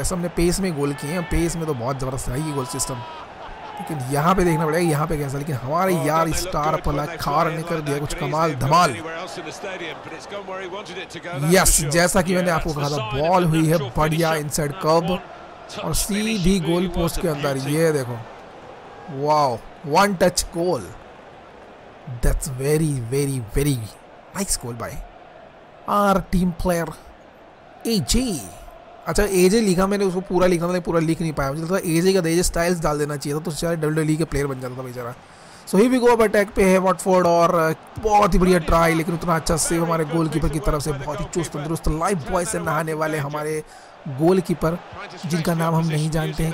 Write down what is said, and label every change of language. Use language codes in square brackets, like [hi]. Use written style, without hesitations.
[hi] ऐसा हमने पेस में गोल किए हैं, पेस में तो बहुत जबरदस्त है ये गोल सिस्टम, लेकिन यहाँ पे देखना पड़ेगा यहाँ पे कैसा। लेकिन हमारे यार स्टार पलक खार ने कर दिया कुछ कमाल धमाल। यस, जैसा कि मैंने आपको कहा था, बॉल हुई है बढ़िया इनसाइड कर्व और सीधी गोल पोस्ट के अंदर। ये देखो, wow, one touch goal, [en] that's very very very nice goal by our team player AJ। [hi] अच्छा, AJ लिखा मैंने, उसको पूरा लिखना था, पूरा लिख नहीं पाया। मुझे लगता है AJ का AJ Styles डाल देना चाहिए था, तो सारे WWE के प्लेयर बन जाता था बेचारा। [en] so here we go, [hi] अब अटैक पे है वॉटफोर्ड और बहुत ही बढ़िया ट्राई, लेकिन उतना अच्छा सेव हमारे गोलकीपर की तरफ से, बहुत ही चुस्त दुरुस्त लाइफ बॉय से नहाने वाले हमारे गोलकीपर जिनका नाम हम नहीं जानते हैं।